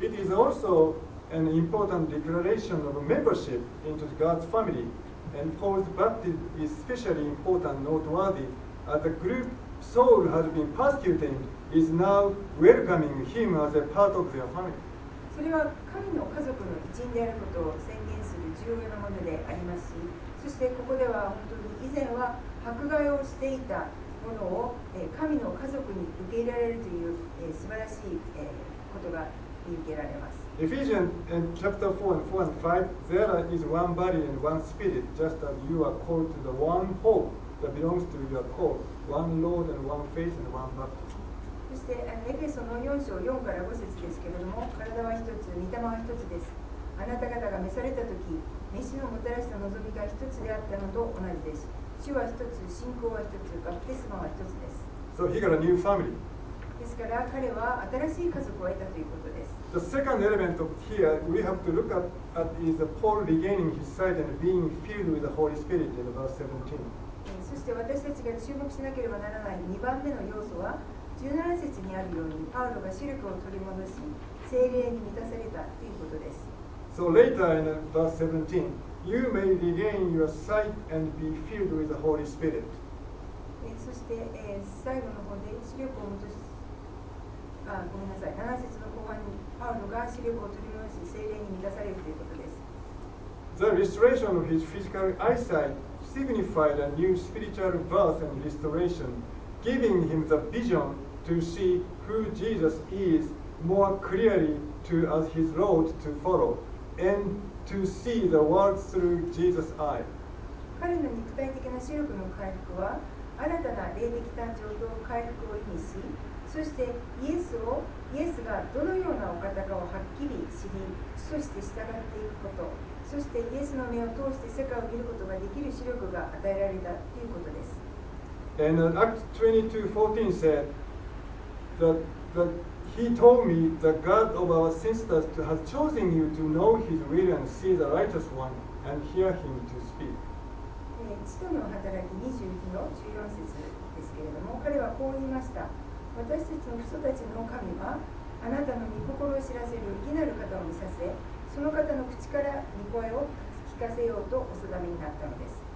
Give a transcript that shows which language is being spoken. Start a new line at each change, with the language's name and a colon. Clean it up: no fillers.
English: It is also an important declaration of membership into God's family, and Paul's baptism is especially important and noteworthy as the group Saul has been persecuting is now welcoming him as a part of their family.
Japanese: それは神の家族の一員であることを宣言する重要なものでありますし、そしてここでは本当に以前は迫害をしていたものを神の家族に受け入れられるという素晴らしいことが見受けられます。
English: Ephesians and chapter 4 and 4 and 5, there is one body and one spirit, just as you are called to the one hope that belongs to your call, one Lord and one faith and one baptism.
Japanese: そしてエペソの4章4から5節ですけれども、体は一つ、御霊は一つです。あなた方が召されたとき、召しのもたらした望みが一つであったのと同じです。主は一つ、信仰は一つ、バプテスマは一つです。
English: So he got a new family.
Japanese: ですから彼は新しい家族を得たということです。
English: The second element of here we have to look at is Paul regaining his sight and being filled with the Holy Spirit in verse 17.
Japanese: そして私たちが注目しなければならない2番目の要素は、17節にあるように、パウロが視力を取り戻し、聖霊に満たされたということです。
English: So later in verse 17,You may regain your sight and be filled with the Holy Spirit.
Japanese: そして、最後の方で視力を戻し、ごめんなさい、7節の後半にパウロが視力を取り戻し、聖霊に満たされるということです。
English: The restoration of his physical eyesight signified a new spiritual birth and restoration, giving him the vision to see who Jesus is more clearly to as his road to follow, andTo see the world through Jesus' eye.
Japanese: 彼の肉体的な視力の回復は、新たな霊的誕生と回復を意味し、そしてイエスがどのようなお方かをはっきり知り、そして従っていくこと、そしてイエスの目を通して世界を見ることができる視力が与えられたということです。
English: And Acts 22:14 said that he told me the God of our sisters has chosen you to know his will and see the righteous one and hear him to speak.
Japanese: 使徒の働き22:14ですけれども、彼はこう言いました。私たちの父祖たちの神はあなたの御心を知らせる生きなる方を見させ、その方の口から御声を聞かせようとお定めになったのです。